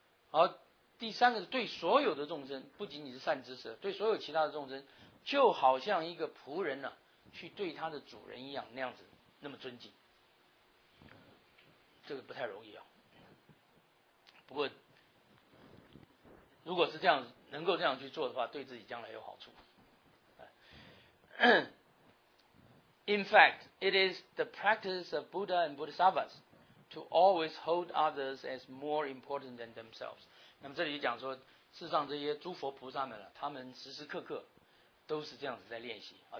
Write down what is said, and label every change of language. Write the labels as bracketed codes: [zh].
[zh] 好，第三个是对所有的众生，不仅仅是善知识，对所有其他的众生，就好像一个仆人呢、啊、去对他的主人一样，那样子那么尊敬。这个不太容易啊，不过如果是这样能够这样去做的话，对自己将来有好处。 [en] In fact, it is the practice of Buddha and Bodhisattvas to always hold others as more important than themselves. [zh] 那么这里讲说，事实上这些诸佛菩萨们、啊、他们时时刻刻都是这样子在练习啊。